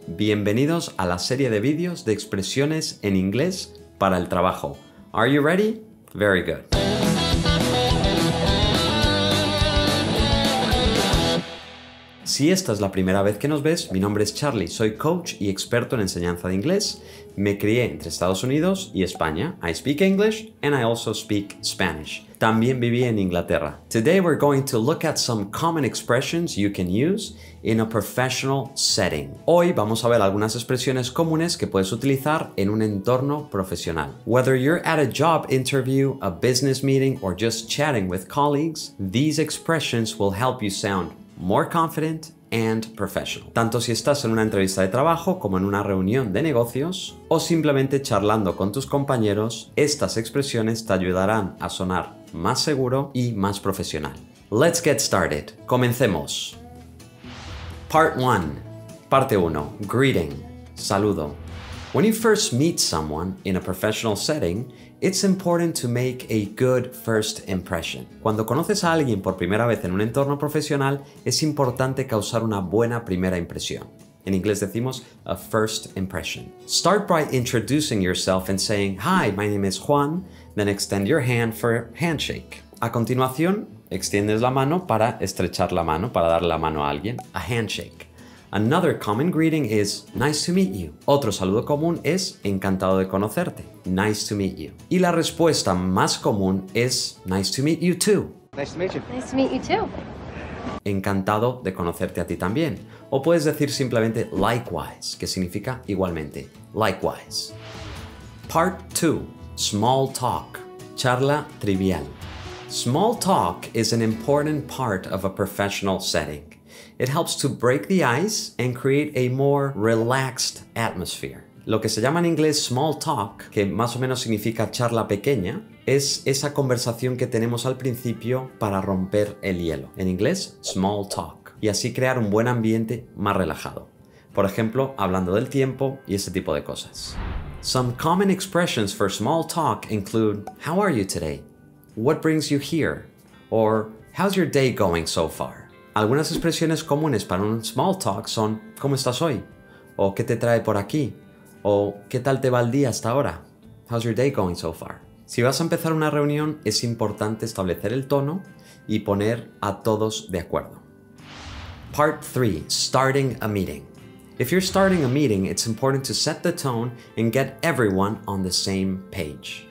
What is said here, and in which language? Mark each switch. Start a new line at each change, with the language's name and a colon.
Spanish: Bienvenidos a la serie de videos de expresiones en inglés para el trabajo.
English: Are you ready? Very good.
Spanish: Si esta es la primera vez que nos ves, mi nombre es Charly, soy coach y experto en enseñanza de inglés. Me crié entre Estados Unidos y España.
English: I speak English and I also speak Spanish.
Spanish: También viví en Inglaterra.
English: Today we're going to look at some common expressions you can use in a professional setting.
Spanish: Hoy vamos a ver algunas expresiones comunes que puedes utilizar en un entorno profesional.
English: Whether you're at a job interview, a business meeting, or just chatting with colleagues, these expressions will help you sound more confident and professional.
Spanish: Tanto si estás en una entrevista de trabajo como en una reunión de negocios o simplemente charlando con tus compañeros, estas expresiones te ayudarán a sonar más seguro y más profesional.
English: Let's get started. Comencemos. Part 1. Parte 1. Greeting. Saludo. When you first meet someone in a professional setting, it's important to make a good first impression.
Spanish: Cuando conoces a alguien por primera vez en un entorno profesional, es importante causar una buena primera impresión. En inglés decimos a first impression.
English: Start by introducing yourself and saying, "Hi, my name is Juan." Then extend your hand for a handshake.
Spanish: A continuación, extiendes la mano para estrechar la mano, para darle la mano a alguien.
English: A handshake. Another common greeting is nice to meet you.
Spanish: Otro saludo común es encantado de conocerte. Nice to meet you. Y la respuesta más común es nice to meet you too.
English: Nice to meet you. Nice to meet you too.
Spanish: Encantado de conocerte a ti también. O puedes decir simplemente likewise, que significa igualmente.
English: Likewise. Part 2. Small talk.
Spanish: Charla trivial.
English: Small talk is an important part of a professional setting. It helps to break the ice and create a more relaxed atmosphere.
Spanish: Lo que se llama en inglés small talk, que más o menos significa charla pequeña, es esa conversación que tenemos al principio para romper el hielo. En inglés, small talk. Y así crear un buen ambiente más relajado. Por ejemplo, hablando del tiempo y ese tipo de cosas.
English: Some common expressions for small talk include, how are you today? What brings you here? Or, how's your day going so far?
Spanish: Algunas expresiones comunes para un small talk son ¿cómo estás hoy? O ¿qué te trae por aquí? O ¿qué tal te va el día hasta ahora?
English: How's your day going so far?
Spanish: Si vas a empezar una reunión, es importante establecer el tono y poner a todos de acuerdo.
English: Part 3. Starting a meeting. If you're starting a meeting, it's important to set the tone and get everyone on the same page.